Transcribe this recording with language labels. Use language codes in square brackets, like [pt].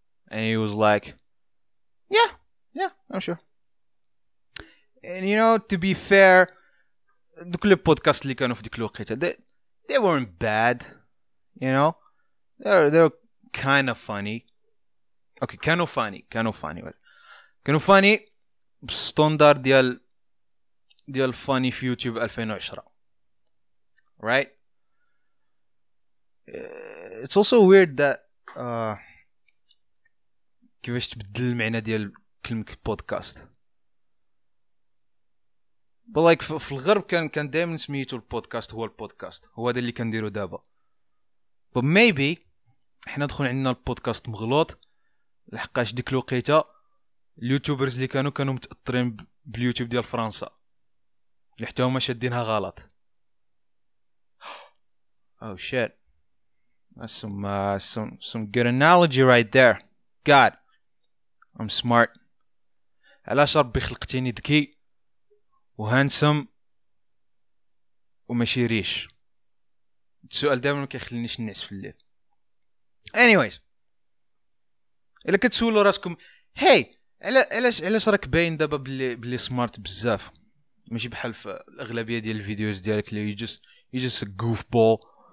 [en] And he was like, yeah, I'm sure. And you know, to be fair, the podcast [ar] li kanu fi dik lwaqita, [en] they weren't bad, you know, they're kind of funny. Okay, [ar] kanu funny, standard ديال فاني في يوتيوب 2020. [en] Right, it's also weird that [ar] كيفاش تبدل المعنى ديال كلمة البودكاست. [en] But like [ar] في الغرب كان دائما سميتو البودكاست هو البودكاست، هو هذا اللي كنديرو دابا. [en] But maybe [ar] احنا دخل عندنا البودكاست مغلوط، لحقاش ديك الوقيته اليوتيوبرز اللي كانوا متأطرين باليوتيوب ديال فرنسا اللي حتى هما شادينها غلط. [en] Oh shit, that's some good analogy right there. God, I'm smart. [ar] علاش ربي خلقتيني ذكي و handsome وماشي ريش؟ السؤال دائما ما كيخلينيش نعس في الليل. [en] Anyways, [ar] الا كتسولوا راسكم hey علاش راك باين دابا بلي سمارت بزاف، ماشي بحال في الاغلبيه ديال الفيديوز ديالك اللي يجس goofball